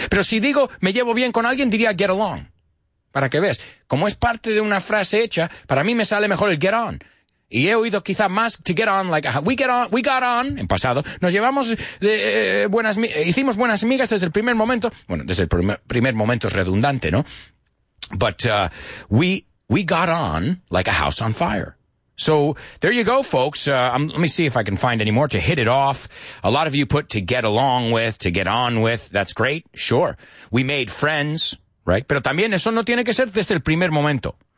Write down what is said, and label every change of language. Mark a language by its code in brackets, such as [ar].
[es] Pero si digo me llevo bien con alguien, diría get along. Para que veas, como es parte de una frase hecha, para mí me sale mejor el get on. Y he oído quizá más to get on, [en] like, we got on, [es] en pasado. Nos llevamos hicimos buenas amigas desde el primer momento. Bueno, desde el primer momento es redundante, ¿no? [en] But we got on like a house on fire. So there you go, folks. Let me see if I can find any more to hit it off. A lot of you put to get along with, to get on with. That's great. Sure. We made friends. Right? [es] Pero también eso no tiene que ser desde el primer momento.